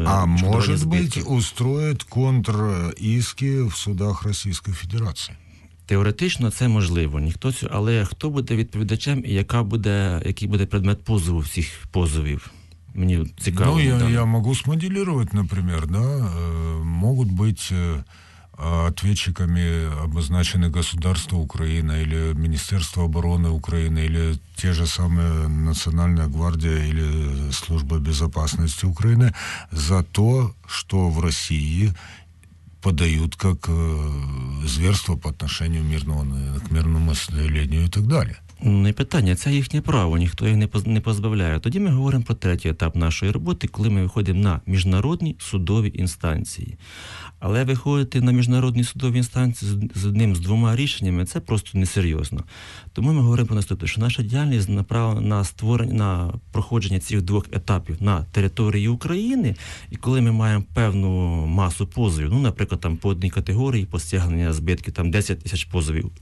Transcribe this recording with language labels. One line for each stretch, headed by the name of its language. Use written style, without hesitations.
Ukrainian: А може бути, устроїть контр-іски в судах Російської Федерації? Теоретично це можливо, ніхто цього, але хто буде відповідачем і який буде предмет позову всіх позовів? Мені цікаво. Ну, я можу смоделірувати, наприклад, да?
Russian: Можуть бути ответчиками обозначены государство Украина или Министерство обороны Украины или те же самые Национальная гвардия или Служба безопасности Украины за то, что в России подают как зверство по отношению к мирному населению и так далее.
Ukrainian: Не питання, це їхнє право, ніхто їх не позбавляє. Тоді ми говоримо про третій етап нашої роботи, коли ми виходимо на міжнародні судові інстанції. Але виходити на міжнародні судові інстанції з одним з двома рішеннями – це просто несерйозно. Тому ми говоримо про наступне, що наша діяльність направлена на створення, на проходження цих двох етапів на території України, і коли ми маємо певну масу позовів, ну, наприклад, там по одній категорії, по стягненню збитків, там 10 тисяч позовів.